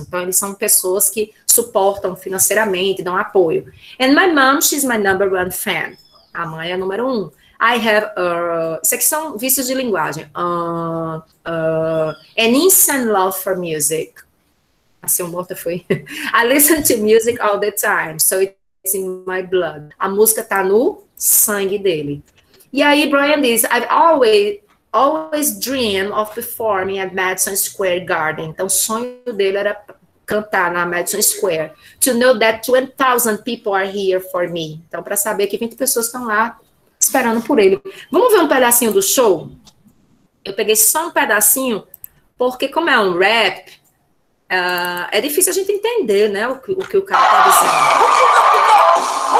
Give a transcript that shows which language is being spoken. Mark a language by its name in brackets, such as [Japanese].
[Portuguese] Então, eles são pessoas que suportam financeiramente, dão apoio. [English] And my mom, she's my number one fan. [Portuguese] A mãe é número um. [English] I have... [Portuguese] Isso aqui são vícios de linguagem. [English] An insane love for music. [Portuguese] Assim, morta foi. [English] I listen to music all the time, so it's in my blood. [Portuguese] A música tá no sangue dele. E aí, Brian diz, [English] I've always dream of performing at Madison Square Garden. [Portuguese] Então, o sonho dele era cantar na Madison Square. [English] To know that 20,000 people are here for me. [Portuguese] Então, para saber que 20 pessoas estão lá esperando por ele. Vamos ver um pedacinho do show? Eu peguei só um pedacinho, porque como é um rap, é difícil a gente entender, né, o que o cara está dizendo.